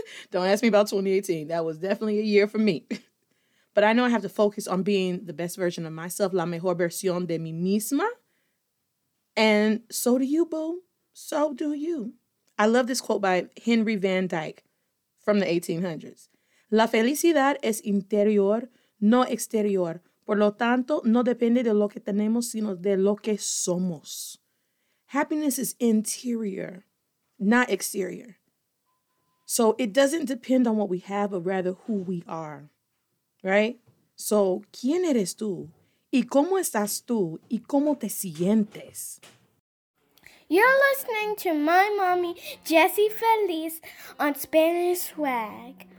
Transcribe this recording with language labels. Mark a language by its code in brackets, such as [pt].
[en] Don't ask me about 2018. That was definitely a year for me. But I know I have to focus on being the best version of myself, [es] la mejor versión de mí misma. [en] And so do you, boo. So do you. I love this quote by Henry Van Dyke from the 1800s. [es] La felicidad es interior, no exterior. Por lo tanto, no depende de lo que tenemos, sino de lo que somos. [en] Happiness is interior, not exterior. So it doesn't depend on what we have, but rather who we are. Right? So, [es] ¿quién eres tú? ¿Y cómo estás tú? ¿Y cómo te sientes? [en] You're listening to my mommy, Jessie Feliz, on Spanish Swag.